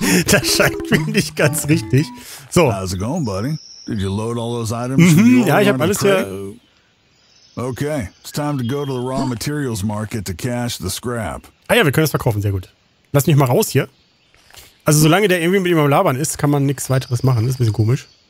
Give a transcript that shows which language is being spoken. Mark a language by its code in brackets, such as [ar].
[de] Das scheint mir nicht ganz richtig. So. [en] How's it going, buddy? Did you load all those items? [de] Ja, ich hab alles hier. [en] Okay, it's time to go to the raw materials market to cash the scrap. [de] Ah ja, wir können es verkaufen, sehr gut. Lass mich mal raus hier. Also solange der irgendwie mit ihm am Labern ist, kann man nichts weiteres machen. Das ist ein bisschen komisch.